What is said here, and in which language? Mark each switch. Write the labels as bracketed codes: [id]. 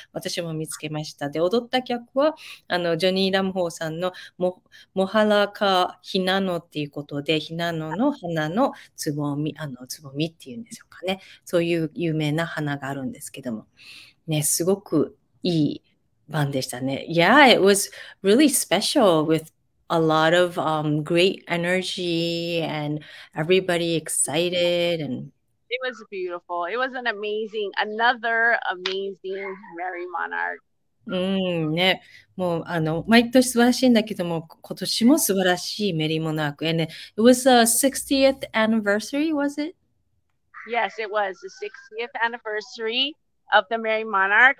[ja] 私も見つけました。で、踊った曲は、ジョニー・ラムホーさんのモハラカ・ヒナノっていうことで、ヒナノの花のつぼみ、つぼみっていうんでしょうかね。そういう有名な花があるんですけども。ね、すごくいい晩でしたね。 [en] Yeah, it was really special with a lot of great energy and everybody excited and It was beautiful. It was an amazing, another amazing Merry Monarch. [ja] ね、もう毎年素晴らしいんだけども、今年も素晴らしいメリーモナーク。 [en] And it was a 60th anniversary, was it? Yes, it was the 60th anniversary of the Merry Monarch.